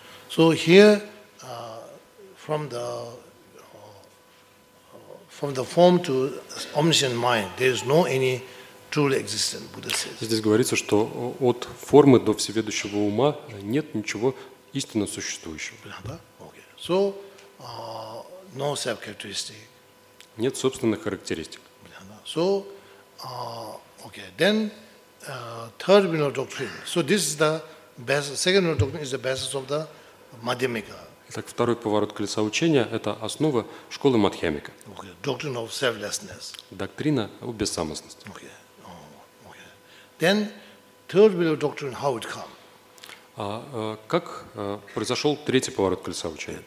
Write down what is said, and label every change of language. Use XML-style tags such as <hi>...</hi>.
<en>So here, from the form to omniscient mind, there is no any truly existent Buddha says.</en> <ru>Здесь говорится, что от формы до всеведущего ума нет ничего истинно существующего.</ru> <en>Okay. So, no self characteristic.</en> <ru>Нет собственных характеристик.</ru> <en>So, okay. Then, third Buddha doctrine. So this is the basis. Second Buddha doctrine is the basis of the Madhyamika.</en> <ru>Итак, второй поворот колеса учения – это основа школы Мадхьямика.</ru> <en>Doctrine of selflessness.</en> <ru>Доктрина о бессамостности.</ru> <en>Okay. Oh, okay. Then, third Buddha doctrine, how it come?</en> <ru>Как произошел третий поворот колеса учения?</ru>